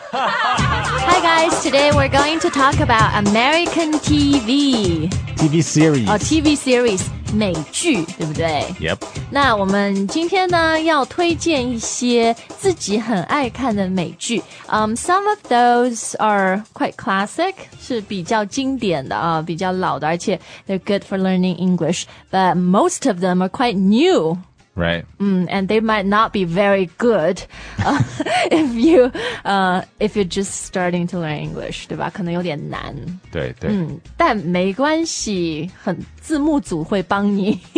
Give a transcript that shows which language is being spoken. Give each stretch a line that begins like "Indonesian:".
English: Hi guys, today we're going to talk about American TV. TV series. Oh, TV series.
Chinese: 美剧，对不对
English: ？Yep.
Chinese: 那我们今天呢，要推荐一些自己很爱看的美剧。
English: Some of those are quite classic,
Chinese: 是比较经典的啊，比较老的，而且
English: they're good for learning English. But most of them are quite new. Right. And they might not be very good, if you're just starting to learn English,
Chinese: 对吧？可能有点难。对对。但没关系，很字幕组会帮你。